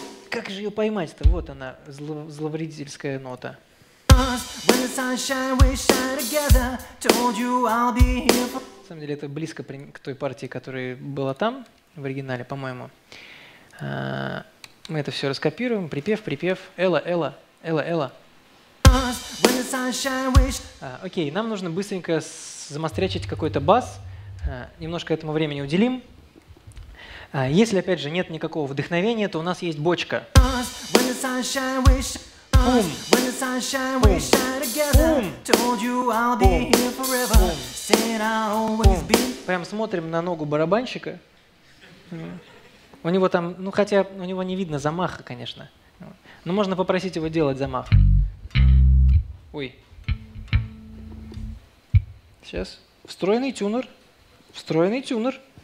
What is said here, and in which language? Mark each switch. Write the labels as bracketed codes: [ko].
[ru] Как же ее поймать-то? Вот она, зловредительская нота. [en] When the sunshine we shine together, told you I'll be here for... [ru] На самом деле это близко к той партии, которая была там в оригинале, по-моему. Мы это все раскопируем. Припев, припев. Элла, Элла, Элла, Элла. [en] When the sunshine we shine... [ru] Окей, нам нужно быстренько замострячить какой-то бас. Немножко этому времени уделим. Если, опять же, нет никакого вдохновения, то у нас есть бочка. [en] When the sunshine we shine... When the sunshine we shine together. Told you I'll be here forever. Said I'll always be. [ru] Прям смотрим на ногу барабанщика. У него там, ну хотя у него не видно замаха, конечно. Но можно попросить его делать замах. Ой. Сейчас. Встроенный тюнер. Встроенный тюнер.